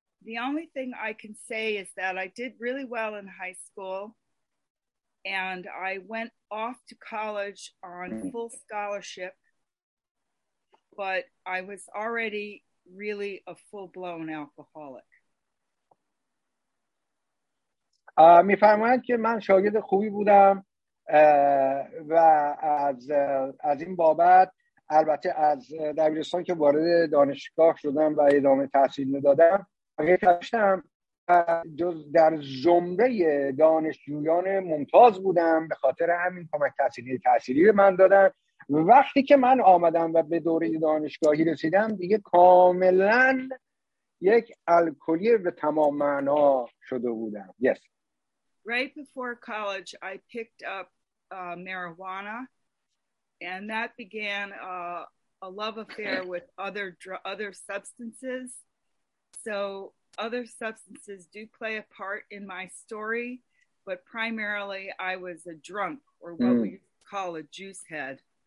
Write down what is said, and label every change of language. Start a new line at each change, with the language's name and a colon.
English: The only thing I can say is that I did really well in high school and I went off to college on full scholarship, but I was already really a full-blown alcoholic.
Persian: می فرماید که من شاگرد خوبی بودم و از این بابت البته از دبیرستان که وارد دانشگاه شدم و ادامه تحصیل ندادم داشتم، جز در زمره دانشجویان ممتاز بودم، به خاطر همین کمک تحصیلی به من دادن. وقتی که من آمدم و به دوره دانشگاهی رسیدم دیگه کاملا یک الکلی به تمام معنا شده بودم.
English: Yes. Right before college I picked up marijuana and that began a love affair with other substances. So other substances do play a part in my story, but primarily I was a drunk, or what we call a juice head.